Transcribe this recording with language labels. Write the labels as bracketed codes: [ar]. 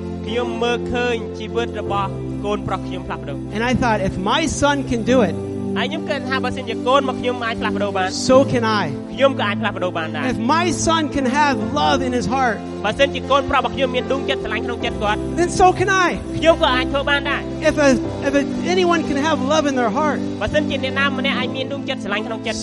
[km] ខ្ញុំមើលឃើញជីវិតរបស់កូនប្រុសខ្ញុំផ្លាស់ប្ដូរ [en] And I thought if my son can do it, [km] ហើយខ្ញុំគិតថាបើសិនជាកូនមកខ្ញុំអាចផ្លាស់ប្ដូរបាន [en] So can I [km] ខ្ញុំក៏អាចផ្លាស់ប្ដូរបានដែរ [en] If my son can have love in his heart [km] បើសិនជាកូនប្រុសរបស់ខ្ញុំមានដួងចិត្តស្រឡាញ់ក្នុងចិត្តគាត់ [en] Then so can I [km] ខ្ញុំក៏អាចធ្វើបានដែរ [en] If anyone can have love in their heart [km] បើសិនជាអ្នកណាម្នាក់អាចមានដួងចិត្តស្រឡាញ់ក្នុងចិត្តគា